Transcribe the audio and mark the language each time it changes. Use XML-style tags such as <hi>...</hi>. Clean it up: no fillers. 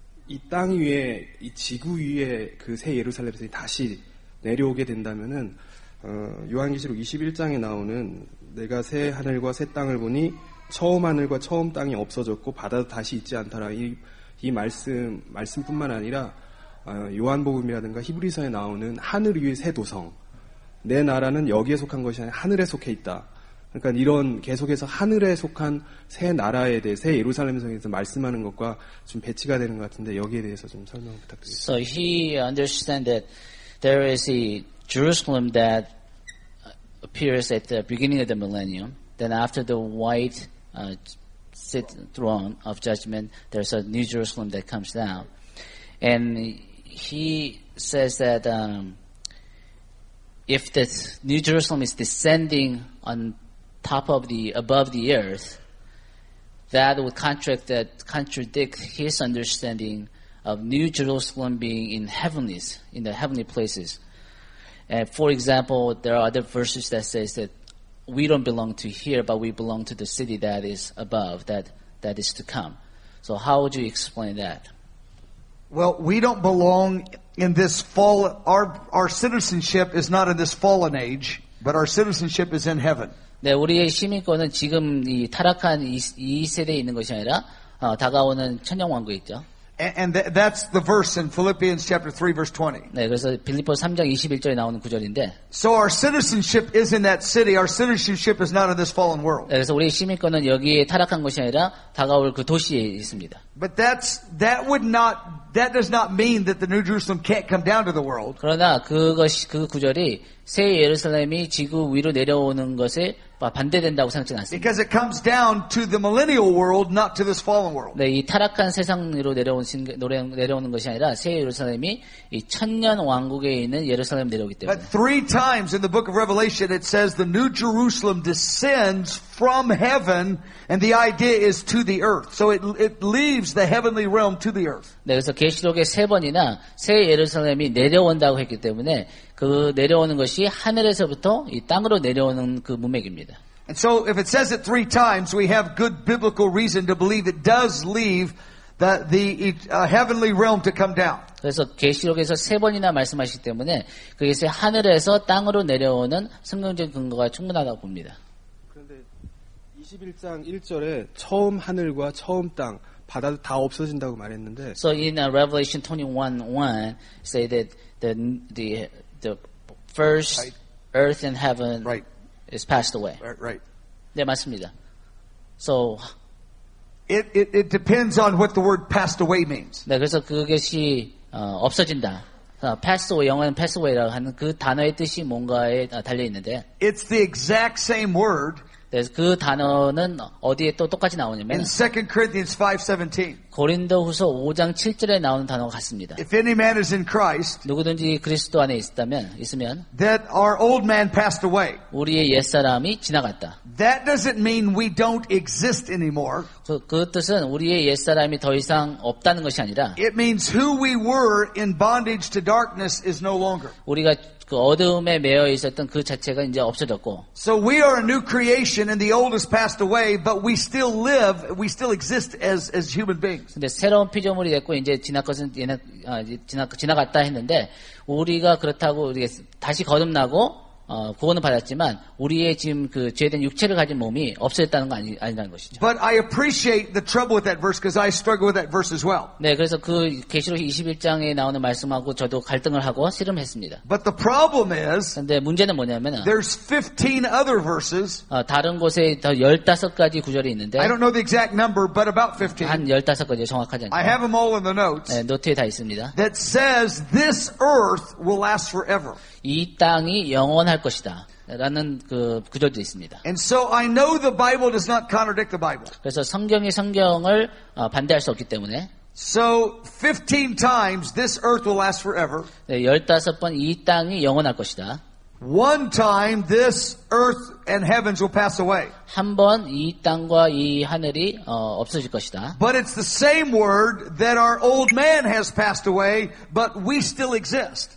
<ko>이 땅 위에 이 지구 위에 그 새 예루살렘성이 다시 내려오게 된다면은 요한계시록 21장에 나오는 내가 새 하늘과 새 땅을 보니 처음 하늘과 처음 땅이 없어졌고 바다도 다시 있지 않더라 이 말씀뿐만 아니라 요한복음이라든가 히브리서에 나오는 하늘 위에 새 도성 내 나라는 여기에 속한 것이 아니라 하늘에 속해 있다. 그러니까 이런 계속해서 하늘에 속한 새 나라에 대해 새 예루살렘성에서 말씀하는 것과 좀 배치가 되는 것 같은데 여기에 대해서 좀 설명 부탁드립니다.</ko> <en>So he understands that there is a Jerusalem that appears at the beginning of the millennium. Then after the white throne of judgment, there's a new Jerusalem that comes down. And he says that if this new Jerusalem is descending on top of the above the earth, that would contract that contradict his understanding of New Jerusalem being in heavenlies, in the heavenly places. And for example, there are other verses that says that we don't belong to here, but we belong to the city that is above, that is to come. So how would you explain that? Well, we don't belong in this fallen, our citizenship is not in this fallen age, but our citizenship is in heaven.</en> <ko>네, 우리의 시민권은 지금 이 타락한 이 세대에 있는 것이 아니라 다가오는 천년 왕국에 있죠.</ko> <en>And that's the verse in Philippians chapter 3 verse 20.</en> <ko>네, 그래서 빌립보 3장 21절에 나오는 구절인데.</ko> <en>So our citizenship is in that city. Our citizenship is not in this fallen world.</en> <ko>네, 그래서 우리의 시민권은 여기에 타락한 것이 아니라 다가올 그 도시에 있습니다.</ko> <en>But that does not mean that the New Jerusalem can't come down to the world.</en> <ko>그러나 그 구절이 새 예루살렘이 지구 위로 내려오는 것에 반대된다고 생각하지 않습니다.</ko> <en>Because it comes down to the millennial world, not to this fallen world.</en> <ko>네, 이 타락한 세상으로 내려오는 것이 아니라 새 예루살렘이 이 천년 왕국에 있는 예루살렘 내려오기 때문에.</ko> <en>But three times in the book of Revelation it says the New Jerusalem descends from heaven, and the idea is to the earth. So it leaves the heavenly realm to the earth.</en> <ko>네, 그래서 계시록에 세 번이나 새 예루살렘이 내려온다고 했기 때문에 그 내려오는 것이 하늘에서부터 이 땅으로 내려오는 그 문맥입니다.</ko> <en>And so if it says it three times, we have good biblical reason to believe it does leave the heavenly realm to come down.</en> <ko>그래서 계시록에서 세 번이나 말씀하시기 때문에 그것이 하늘에서 땅으로 내려오는 성경적 근거가 충분하다고 봅니다. 그런데 21장 1절에 처음 하늘과 처음 땅 바다도 다 없어진다고 말했는데.</ko> <en>So in Revelation 21:1, say that the first earth and heaven is passed away. Right.</en> <ko>네, 맞습니다.</ko> <en>So it depends on what the word passed away means.</en> <ko>네, 그래서 그것이 없어진다.</ko> <en>Passed away,</en> <ko>영어는</ko> <en>passed away</en> <ko>라고 하는 그 단어의 뜻이 뭔가에 달려 있는데.</ko> <en>It's the exact same word.</en> <ko>그 단어는 어디에 또 똑같이 나오냐면</ko> <en>2 Corinthians 5:17.</en> <ko>고린도후서 5장 7절에 나오는 단어 같습니다.</ko> <en>If any man is in Christ,</en> <ko>누구든지 그리스도 안에 있으면</ko> <en>that our old man passed away.</en> <ko>우리의 옛사람이 지나갔다.</ko> <en>That doesn't mean we don't exist anymore.</en> <ko>그 뜻은 우리의 옛사람이 더 이상 없다는 것이 아니라</ko> <en>it means who we were in bondage to darkness is no longer.</en> <ko>우리가 그 어둠에 매여 있었던 그 자체가 이제 없어졌고.</ko> <en>So we are a new creation and the old has passed away, but we still live, we still exist as human beings.</en> <ko>근데 새로운 피조물이 됐고 이제 지나갔다 했는데 우리가 그렇다고 우리가 다시 거듭나고 구원은 받았지만 우리의 지금 그 죄된 육체를 가진 몸이 없어졌다는 거 아니라는 것이죠.</ko> <en>But I appreciate the trouble with that verse because I struggle with that verse as well.</en> <ko>네, 그래서 그 계시록 21장에 나오는 말씀하고 저도 갈등을 하고 씨름했습니다.</ko> <en>But the problem is</en> <ko>근데 문제는 뭐냐면</ko> <en>there's 15 other verses.</en> <ko>다른 곳에 더 15가지 구절이 있는데</ko> <en>I don't know the exact number but about 15.</en> <ko>한 15가지 정확하지 않죠.</ko> <en>I have them all in the notes.</en> <ko>네, 노트에 다 있습니다.</ko> <en>That says this earth will last forever.</en> <ko>이 땅이 영원할 것이다 라는 그 구절도 있습니다.</ko> <en>And so I know the Bible does not contradict the Bible.</en> <ko>그래서 성경이 성경을 반대할 수 없기 때문에</ko> <en>So 15 times this earth will last forever.</en> <ko>네, 15번 이 땅이 영원할 것이다.</ko> <en>One time this earth and heavens will pass away.</en> <ko>한 번 이 땅과 이 하늘이 없어질 것이다.</ko> <en>But it's the same word that our old man has passed away, but we still exist.</en>